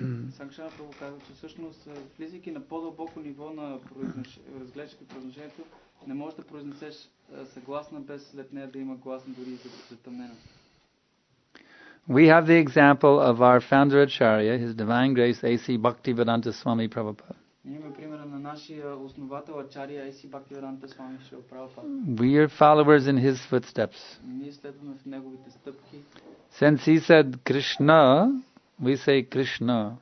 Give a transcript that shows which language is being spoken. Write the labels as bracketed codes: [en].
[bg] Санкшана Прабху казва, че всъщност влизайки на по-дълбоко ниво на разглеждане произношението, не можеш да произнесеш съгласна без след нея да има гласна дори за затъмнена. [en] We have the example of our founder Acharya, His Divine Grace A.C. Bhaktivedanta Swami Prabhupada. [bg] Имаме примера на нашия основател Ачария А.С. Бхактиведанта Свами Шрила Прабхупада. [en] We are followers in his footsteps. [bg] Ние следваме в неговите стъпки. [en] Since he said Krishna, we say Krishna.